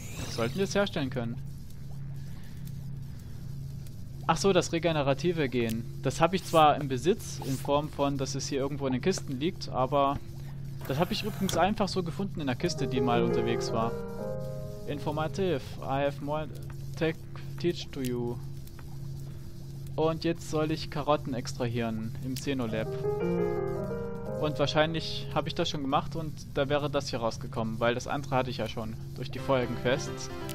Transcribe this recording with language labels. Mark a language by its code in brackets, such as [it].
[de] Sollten wir es herstellen können? Ach so, das regenerative Gen. Das habe ich zwar im Besitz, in Form von, dass es hier irgendwo in den Kisten liegt, aber das habe ich übrigens einfach so gefunden in der Kiste, die mal unterwegs war. Informativ. [en] I have more tech teach to you. [de] Und jetzt soll ich Karotten extrahieren im Xenolab. Und wahrscheinlich habe ich das schon gemacht und da wäre das hier rausgekommen, weil das andere hatte ich ja schon durch die vorherigen Quests.